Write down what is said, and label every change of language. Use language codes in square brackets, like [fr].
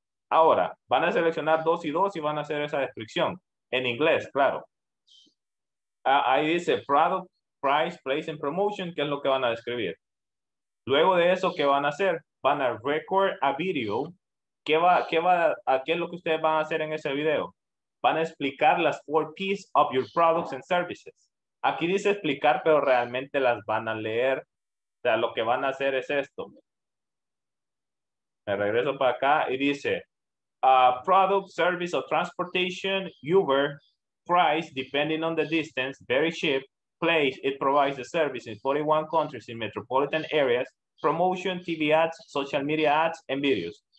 [es] Ahora, van a seleccionar dos y dos y van a hacer esa descripción. En inglés, claro. Ahí dice product, price, place, and promotion, que es lo que van a describir. Luego de eso, ¿qué van a hacer? Van a [en] record a video. [es] ¿Qué es lo que ustedes van a hacer en ese video? Van a explicar las [en] 4 P's of your products and services. [es] Aquí dice explicar, pero realmente las van a leer. O sea, lo que van a hacer es esto. Me regreso para acá y dice, [en] product, service, or transportation, Uber, price, depending on the distance, very cheap, place, it provides a service in 41 countries in metropolitan areas, promotion, TV ads, social media ads, and videos.